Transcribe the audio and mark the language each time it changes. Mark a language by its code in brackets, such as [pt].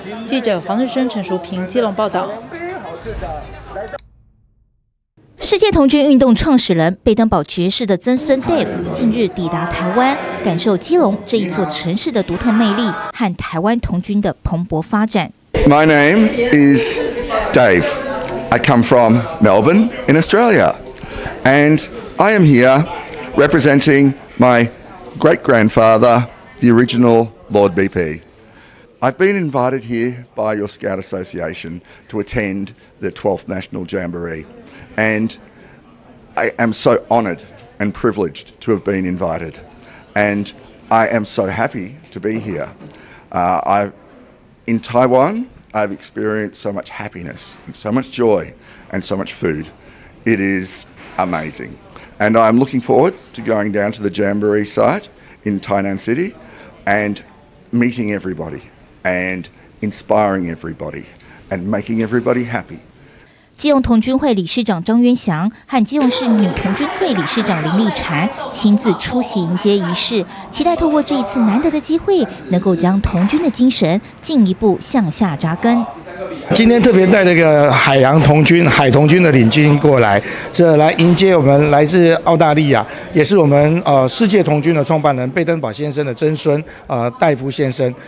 [zh] 记者黄日升、陈淑平，基隆报道。世界童军运动创始人贝登堡爵士的曾孙 Dave 近日抵达台湾，感受基隆这一座城市的独特魅力和台湾童军的蓬勃发展。 [en] My name is Dave. I come from Melbourne in Australia, and I am here representing my great grandfather, the original Lord BP. I've been invited here by your Scout Association to attend the 12th National Jamboree. And I am so honoured and privileged to have been invited. And I am so happy to be here. In Taiwan, I've experienced so much happiness and so much joy and so much food. It is amazing. And I'm looking forward to going down to the Jamboree site in Tainan City and meeting everybody and inspiring everybody and making everybody happy. [zh] 基隆童军会理事长张渊祥和基隆市女童军会理事长林立婵亲自出席迎接仪式，期待透过这一次难得的机会，能够将童军的精神进一步向下扎根。今天特别带那个海洋童军、海童军的领巾过来，这来迎接我们来自澳大利亚，也是我们世界童军的创办人贝登堡先生的曾孙戴夫先生。